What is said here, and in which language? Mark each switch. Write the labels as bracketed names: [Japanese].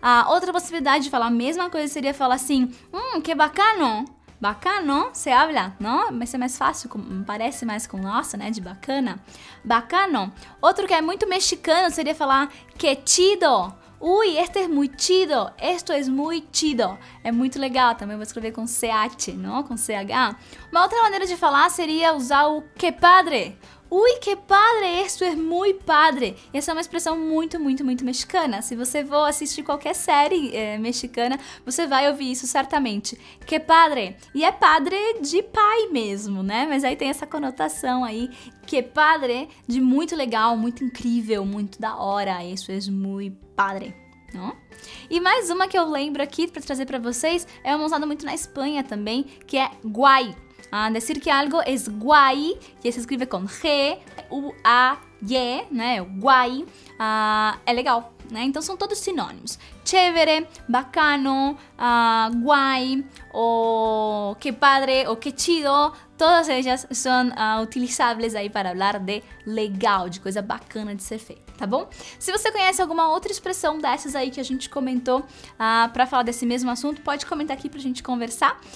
[Portuguese] Outra possibilidade de falar a mesma coisa seria falar assim, que bacano, bacano, você habla, não? Mas é mais fácil, parece mais com nossa, né, de bacana. Bacano. Outro que é muito mexicano seria falar, que chido, ui, [Spanish] este es muy chido, [Portuguese] esto es muy chido. É muito legal, também vou escrever com C-H, não? Com C-H. Uma outra maneira de falar seria usar o que padre. Ui, que padre, isso é muito padre. Essa é uma expressão muito, muito, muito mexicana. Se você for assistir qualquer série mexicana, você vai ouvir isso certamente. Que padre. E é padre de pai mesmo, né? Mas aí tem essa conotação aí. Que padre, de muito legal, muito incrível, muito da hora. Isso é muito padre. Não? E mais uma que eu lembro aqui pra trazer pra vocês, é uma usada muito na Espanha também, que é guai. [Spanish] Decir que algo es guay, que se escribe con G, U, A, Y, né? [Portuguese] Guay, é legal, né? Então são todos sinônimos. Chévere, bacano, guay, ou que padre, ou que chido, todas elas são utilizáveis aí para falar de legal, de coisa bacana de ser feita. Tá bom? Se você conhece alguma outra expressão dessas aí que a gente comentou pra falar desse mesmo assunto, pode comentar aqui pra gente conversar.